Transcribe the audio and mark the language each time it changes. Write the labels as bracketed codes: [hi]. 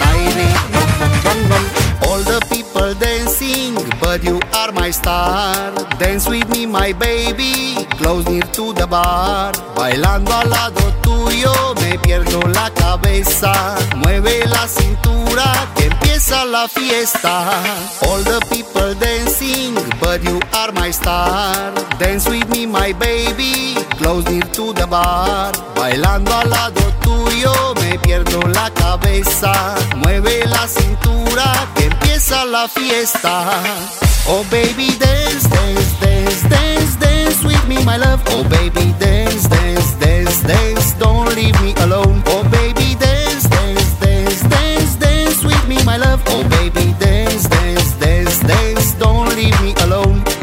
[en] the people dancing, but you are my star. Dance with me, my baby, close near to the bar. [es] Bailando al lado tuyo, me pierdo la cabeza. Mueve la cintura, que empieza la fiesta. [en] All the people dancing, but you are my star. Dance with me, my baby, close near to the bar. [es] Bailando al lado tuyo, me pierdo la cabeza. Mueve la cintura, que empieza la fiesta. [en] Oh baby, dance, dance, dance, dance, dance with me, my love. Oh baby, dance, dance, dance, dance, don't leave me alone. Oh baby, dance, dance, dance, dance, dance with me, my love. Oh baby, dance, dance, dance, dance, don't leave me alone.